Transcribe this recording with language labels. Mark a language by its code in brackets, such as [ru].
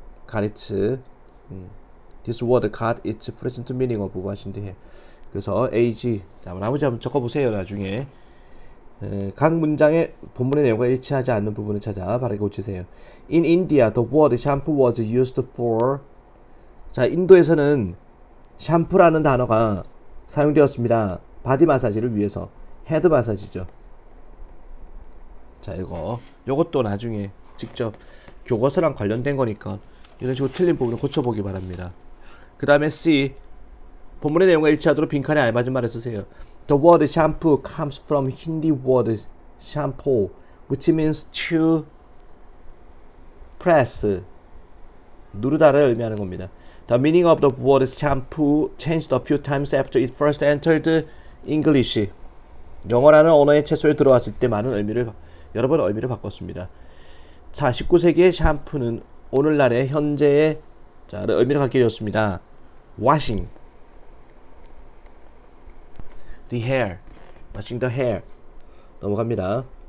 [en] Got its, this word got its present meaning of what it is. [ko] 그래서 AG. 자, 나머지 한번 적어보세요, 나중에. 각 문장의 본문의 내용과 일치하지 않는 부분을 찾아 바르게 고치세요. [en] In India, the word shampoo was used for. [ko] 자, 인도에서는 샴푸라는 단어가 사용되었습니다. 바디 마사지를 위해서. 헤드 마사지죠. 자, 이거. 요것도 나중에 직접 교과서랑 관련된 거니까. 이런 식으로 틀린 부분을 고쳐보기 바랍니다. 그 다음에 C. 본문의 내용과 일치하도록 빈칸에 알맞은 말을 쓰세요. [en] The word shampoo comes from Hindi word shampoo, which means to press. [ko] 누르다를 의미하는 겁니다. [en] The meaning of the word shampoo changed a few times after it first entered English. [ko] 영어라는 언어에 최초에 들어왔을 때 여러 번 의미를 바꿨습니다. 자, 19세기의 샴푸는 오늘날의 현재의 자를 의미를 갖게 되었습니다. [en] Washing the hair, washing the hair. [ko] 넘어갑니다.